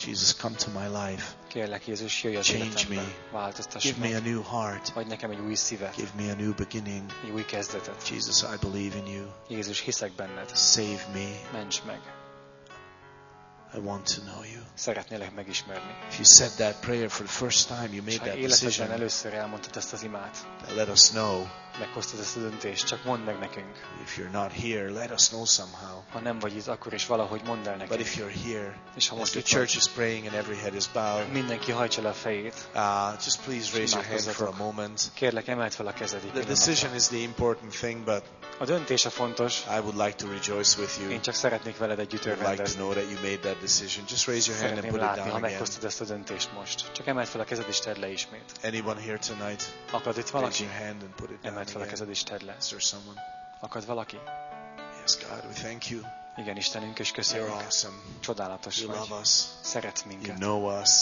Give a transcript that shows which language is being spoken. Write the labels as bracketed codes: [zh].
[en] Jesus, come to my life. [hu] Kérlek, Jézus, jöjj az [en] change [hu] életembe. [en] Me. [hu] Változtass [en] give [hu] meg. [en] Me a new heart. [hu] Adj nekem egy új szívet. [en] Give me a new beginning. [hu] Egy új kezdetet. [en] Jesus, I believe in you. [hu] Jézus, hiszek benned. [en] Save me. [hu] Ments meg. [en] I want to know you. [hu] Szeretnélek megismerni. [en] If you said that prayer for the first time, you made that decision. [hu] Először elmondtad ezt az imát. [en] Let us know. [hu] Meghoztad ezt a döntést, csak mondd meg nekünk. [en] If you're not here, let us know somehow. [hu] Ha nem vagy itt, akkor is valahogy mondd el nekünk. [en] But if you're here, [hu] és ha most [en] the church is praying and every head is bowed. [hu] Mindenki hajtsa le a fejét. [en] Just please raise your hand for a moment. [hu] Kérlek, emeld fel a kezed. [en] The decision is the important thing, but [hu] a döntés a fontos. [en] I would like to rejoice with you. [hu] Én csak szeretnék veled együtt örvendezni. [en] I'd like to know that you made that decision. Just raise your hand and put it down again. [hu] Ha meghoztad ezt a döntést most. Csak emeld fel a kezed és tedd le ismét. [en] Anyone here tonight? [hu] Akad itt valaki? [en] Raise your hand and put it down. [hu] Emeld fel a kezed és tedd le. [en] Is there someone? [hu] Akad valaki? [en] Yes, God, we thank you. [hu] Igen, Istenünk, és köszönjük. [en] You're awesome. [hu] Csodálatos [en] you [hu] vagy. [en] Love us. [hu] Szeretsz minket. [en] You know us.